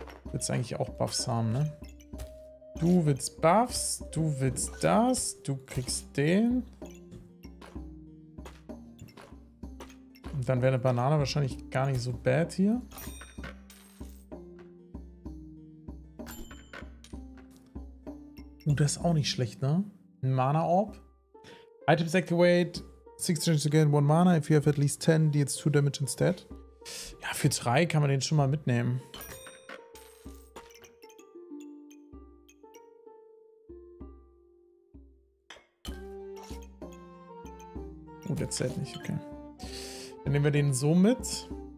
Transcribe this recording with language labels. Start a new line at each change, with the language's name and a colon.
German: Willst eigentlich auch Buffs haben, ne? Du willst Buffs, du willst das, du kriegst den. Und dann wäre eine Banane wahrscheinlich gar nicht so bad hier. Das ist auch nicht schlecht, ne?
English: Ein Mana Orb. Items activate. 6 changes to gain 1 mana, if you have at least 10, deals 2 damage instead.
German: Ja, für 3 kann man den schon mal mitnehmen. Oh, der zählt nicht, okay. Dann nehmen wir den so mit.